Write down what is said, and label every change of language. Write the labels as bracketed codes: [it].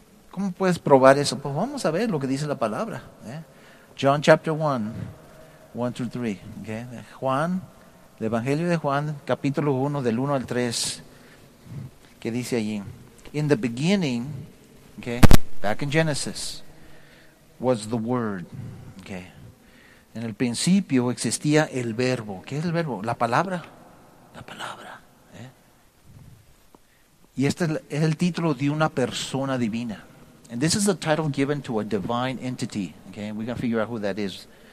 [es] ¿Cómo puedes probar eso? Pues vamos a ver lo que dice la palabra. [en] John chapter 1:1-3. Okay? [es] Juan, el Evangelio de Juan, capítulo 1, del 1 al 3. ¿Qué dice allí? [en] In the beginning, okay, back in Genesis, was the Word. [es] Okay? En el principio existía el Verbo. ¿Qué es el Verbo? La palabra. La palabra. Y este es el título de una persona divina. [en] And this is the title given to a divine entity. Okay, we're going to figure out who that is.